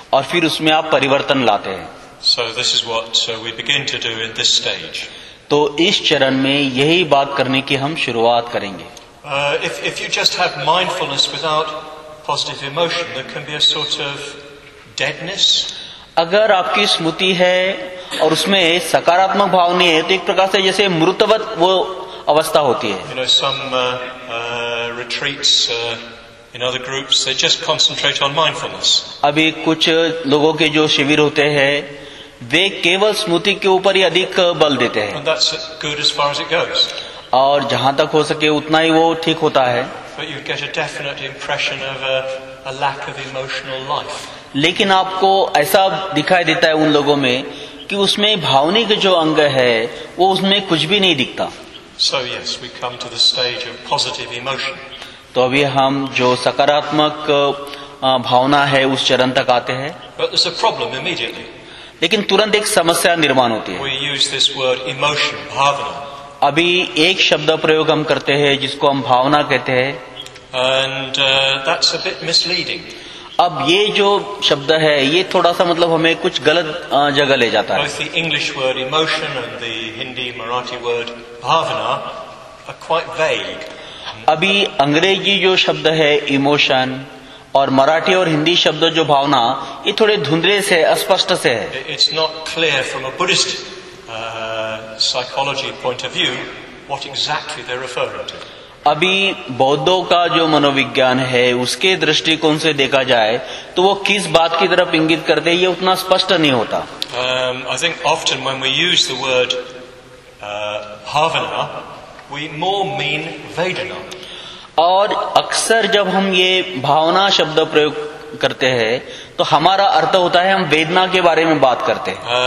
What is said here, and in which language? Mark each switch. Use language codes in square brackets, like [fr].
[hi] और फिर उसमें आप परिवर्तन लाते हैं. [en] So this is what we begin to do in this stage. [hi] तो इस चरण में यही बात करने की हम शुरुआत करेंगे. [en] If you just have mindfulness without positive emotion, there can be a sort of deadness. [hi] अगर आपकी स्मृति है और उसमें सकारात्मक भाव नहीं है तो एक प्रकार से जैसे मृतवत वो अवस्था होती है. [en] You know, some retreats in other groups, they just concentrate on mindfulness. [hi] अभी कुछ लोगों के जो शिविर होते हैं वे केवल स्मृति के ऊपर ही अधिक बल देते हैं. [en] And that's good as far as it goes. [hi] और जहां तक हो सके उतना ही वो ठीक होता है. [en] But you get a definite impression of a lack of emotional life. [hi] लेकिन आपको ऐसा दिखाई देता है उन लोगों में कि उसमें भावनिक जो अंग है वो उसमें कुछ भी नहीं दिखता. [en] So yes, we come to the stage of positive emotion. [hi] तो अभी हम जो सकारात्मक भावना है उस चरण तक आते हैं. [en] But there's a problem immediately. [hi] लेकिन तुरंत एक समस्या निर्माण होती है. [en] We use this word emotion, bhavana. [hi] अभी एक शब्द प्रयोग हम करते हैं जिसको हम भावना कहते हैं. [en] And that's a bit misleading. [hi] अब ये जो शब्द है ये थोड़ा सा मतलब हमें कुछ गलत जगह ले जाता है. [en] Both the English word emotion and the Hindi Marathi word bhavana are quite vague. [hi] अभी अंग्रेजी जो शब्द है इमोशन और मराठी और हिंदी शब्द जो भावना ये थोड़े धुंधले से अस्पष्ट से है. [en] It's not clear from a Buddhist psychology point of view what exactly they're referring to. [hi] अभी बौद्धों का जो मनोविज्ञान है उसके दृष्टिकोण से देखा जाए तो वो किस बात की तरफ इंगित करते हैं ये उतना स्पष्ट नहीं होता. [en] I think often when we use the word bhavana, we more mean vedana. [hi] और अक्सर जब हम ये भावना शब्द प्रयोग करते हैं तो हमारा अर्थ होता है हम वेदना के बारे में बात करते हैं.